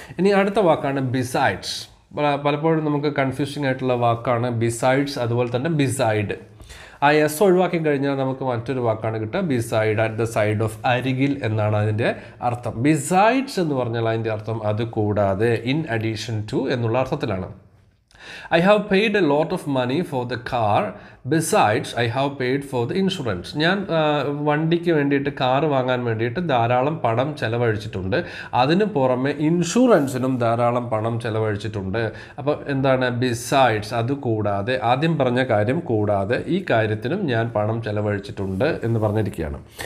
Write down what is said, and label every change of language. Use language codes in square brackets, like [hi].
[ml] ഇനി അടുത്ത വാക്കാണ് ബിസൈഡ്സ്. പലപ്പോഴും നമുക്ക് കൺഫ്യൂഷിംഗ് ആയിട്ടുള്ള വാക്കാണ് ബിസൈഡ്സ്, അതുപോലെ തന്നെ ബിസൈഡ്. ആ എസ് ഒഴിവാക്കി കഴിഞ്ഞാൽ നമുക്ക് മറ്റൊരു വാക്കാണ് കിട്ടുക, beside, [en] at the side of, [ml] അരികിൽ എന്നാണ് അതിൻ്റെ അർത്ഥം. ബിസൈഡ്സ് എന്ന് പറഞ്ഞാൽ അതിൻ്റെ അർത്ഥം അത് കൂടാതെ, [en] in addition to [ml] എന്നുള്ള അർത്ഥത്തിലാണ്. [en] I have paid a lot of money for the car. Besides, I have paid for the insurance. [ml] ഞാൻ വണ്ടിക്ക് വേണ്ടിയിട്ട് കാർ വാങ്ങാൻ വേണ്ടിയിട്ട് ധാരാളം പണം ചെലവഴിച്ചിട്ടുണ്ട്. അതിന് പുറമെ ഇൻഷുറൻസിനും ധാരാളം പണം ചെലവഴിച്ചിട്ടുണ്ട്. അപ്പോൾ എന്താണ് ബിസൈഡ്സ്? അതുകൂടാതെ, ആദ്യം പറഞ്ഞ കാര്യം കൂടാതെ, ഈ കാര്യത്തിനും ഞാൻ പണം ചെലവഴിച്ചിട്ടുണ്ട് എന്ന് പറഞ്ഞിരിക്കുകയാണ്.